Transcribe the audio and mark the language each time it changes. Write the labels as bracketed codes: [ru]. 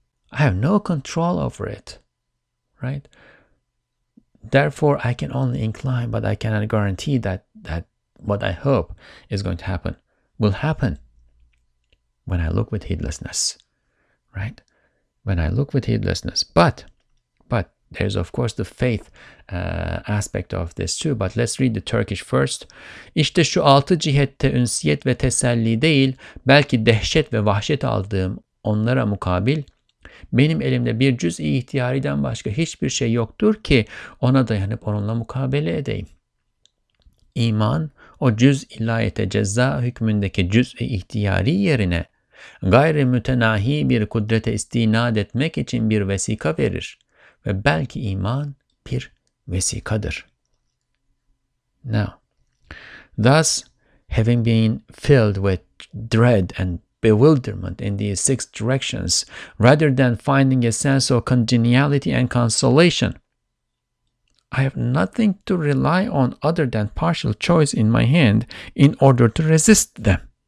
[en] I have no control over it, right? Therefore, I can only incline, but I cannot guarantee that what I hope is going to happen will happen when I look with heedlessness, right? When I look with heedlessness. But there's of course the faith aspect of this too. But let's read the Turkish first. [tr] İşte şu altı cihette ünsiyet ve teselli değil, belki dehşet ve vahşet aldığım onlara mukabil, benim elimde bir cüz-i ihtiyariden başka hiçbir şey yoktur ki ona dayanıp onunla mukabele edeyim. İman, o cüz-i ilayete ceza hükmündeki cüz-i ihtiyari yerine, gayri mütenahi bir kudrete istinad etmek için bir vesika verir. Ve belki iman bir vesikadır. [en] Now, thus, having been filled with dread and bewilderment in these six directions, rather than finding a sense of congeniality and consolation, I have nothing to rely on other than partial choice in my hand in order to resist them.